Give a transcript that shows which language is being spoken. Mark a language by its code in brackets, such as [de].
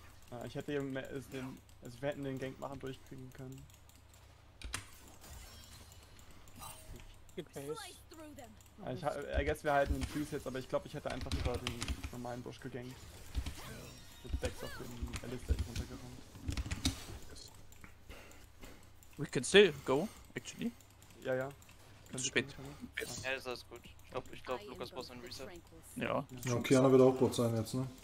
[de] Ja, ich hätte eben mehr, also wir hätten den Gank machen durchkriegen können. Okay. Ich guess wir halten den Freeze jetzt, aber ich glaube, ich hätte einfach über den normalen Busch gegankt. Mit Dex auf den Alistair runtergekommen. [en] We can still go, actually. [de] Ja, ja. Ist spät. Ja, das ist gut. Ich glaube, Lukas muss ein Reset. Ja. Ja, Kiana wird auch Bot sein jetzt, ne?